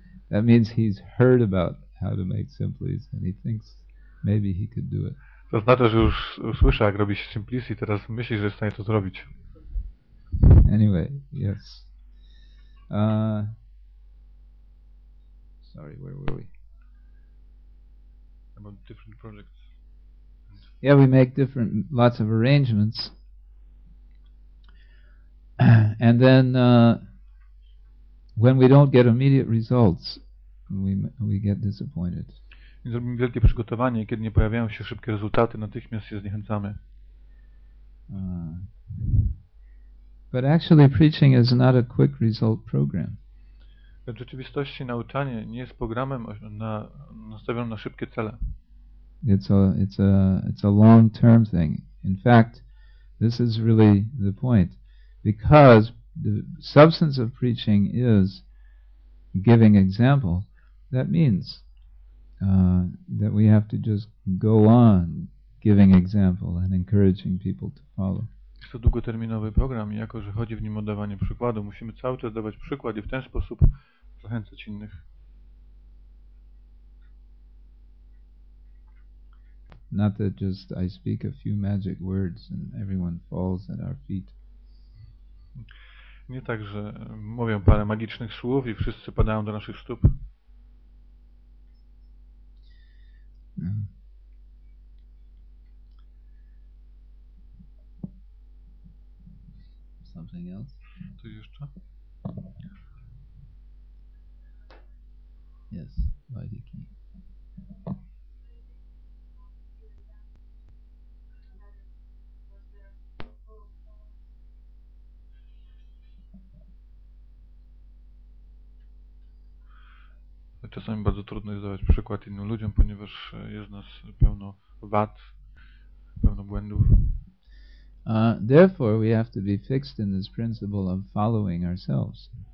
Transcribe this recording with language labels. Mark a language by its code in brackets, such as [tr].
[en] That means he's heard about how to make simplis and he thinks maybe he could do it. [pl] To znaczy, że już słyszał, jak robi się simplis i teraz myśli, że jest w stanie to zrobić. [en] Anyway, yes. Sorry, where were we? About different projects. Yeah, we make different lots of arrangements. And then when we don't get immediate results, we get disappointed. [pl] Zrobimy wielkie przygotowanie, kiedy nie pojawiają się szybkie rezultaty, natychmiast się zniechęcamy. [en] But actually preaching is not a quick result program. [pl] W rzeczywistości nauczanie nie jest programem nastawionym na szybkie cele. [en] It's a long-term thing. In fact, this is really the point. Because the substance of preaching is giving example, that means that we have to just go on giving example and encouraging people to follow. [pl] Jest to długoterminowy program i jako, że chodzi w nim o dawanie przykładu, musimy cały czas dawać przykład i w ten sposób zachęcać innych. [en] Not that just I speak a few magic words and everyone falls at our feet. [pl] Nie tak, że mówię parę magicznych słów i wszyscy padają do naszych stóp. [en] Something else? [pl] To jeszcze? [en] Yes, Vaidiki. [pl] Czasami bardzo trudno jest dawać przykład innym ludziom, ponieważ jest nas pełno wad, pełno błędów. [en] Therefore we have to be fixed in this principle of following ourselves.